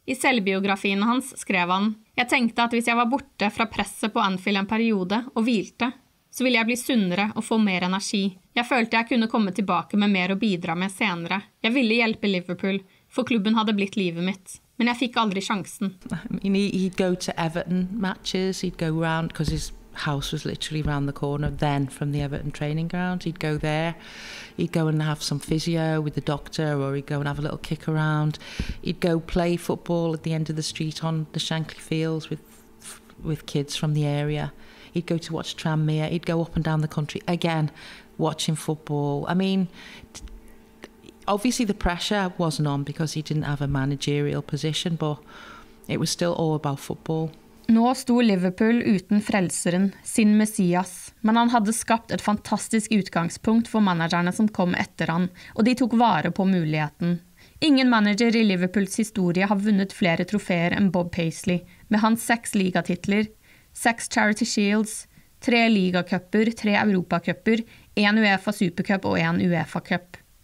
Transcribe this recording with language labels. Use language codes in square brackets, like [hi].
[no] I selvbiografien hans skrev han, «Jeg tenkte at hvis jeg var borte fra presset på Anfield en periode og hvilte, så ville jeg bli sunnere og få mer energi. Jeg følte jeg kunne komme tilbake med mer å bidra med senere. Jeg ville hjelpe Liverpool, for klubben hadde blitt livet mitt.» Men jeg fikk aldri sjansen. [en] I mean, he'd go to Everton matches, he'd go around, because his house was literally around the corner then from the Everton training ground. He'd go there, he'd go and have some physio with the doctor, or he'd go and have a little kick around. He'd go play football at the end of the street on the Shankly Fields with kids from the area. He'd go to watch Tranmere, he'd go up and down the country again, watching football. I mean... Obviously, the pressure wasn't on because he didn't have a managerial position, but it was still all about football. [no] Nå sto Liverpool uten frelseren, sin messias, men han hadde skapt et fantastisk utgangspunkt for managerne som kom etter han, og de tok vare på muligheten. Ingen manager i Liverpools historie har vunnet flere troféer enn Bob Paisley, med hans 6 ligatitler, 6 Charity Shields, 3 ligakøpper, 3 Europacupper, 1 UEFA Supercup og 1 UEFA Cup.